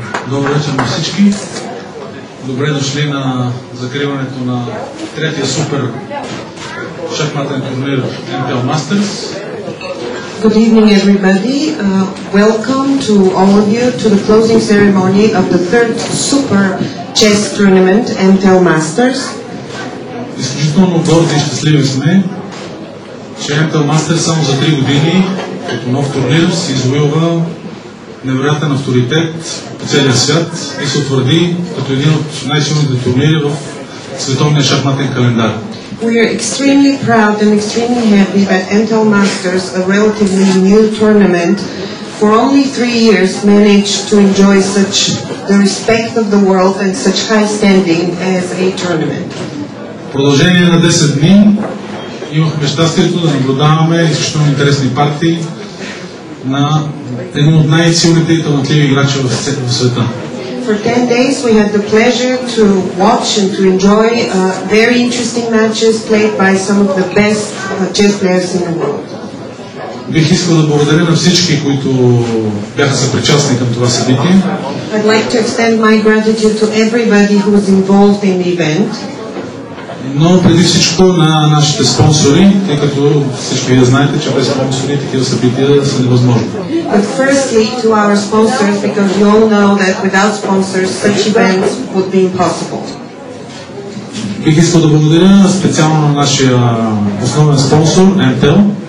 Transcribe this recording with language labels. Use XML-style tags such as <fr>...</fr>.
<bg>Добре вечер на всички. Добре дошли на закриването на третия супер шахматен турнир Mtel Masters.</bg> <en>Good evening, everybody. Welcome to all of you to the closing ceremony of the third super chess tournament, Mtel Masters.</en> <bg>Изключително горди и щастливи сме, че Mtel Masters само за 3 години като нов турнир се извоюва невероятен авторитет по целия свят и се утвърди като един от най-силните турнири в световния шахматен календар.</bg> <en>We are extremely proud and extremely happy that Mtel Masters, a relatively new tournament, for only 3 years managed to enjoy such the respect of the world and such high standing as a tournament.</en> <bg>Продължение на 10 дни имахме щастието да наблюдаваме изключително интересни партии на един от най-силните и талантливи играчи в света.</bg> <en>For 10 days we had the pleasure to watch and to enjoy very interesting matches played by some of the best chess players in the world.</en> <bg>Бих искал да благодаря на всички, които бяха съпричастни към това събитие.</bg> <en>I'd like to extend my gratitude to everybody who was involved in the event.</en> <bg>Но преди всичко на нашите спонсори, тъй като всички вие знаете, че без спонсори такива събития са невъзможни.</bg> <en>But firstly to our sponsors, because you all know that without sponsors such events would be impossible.</en> <bg>Бих искал да благодаря специално на нашия основен спонсор, Mtel.</bg>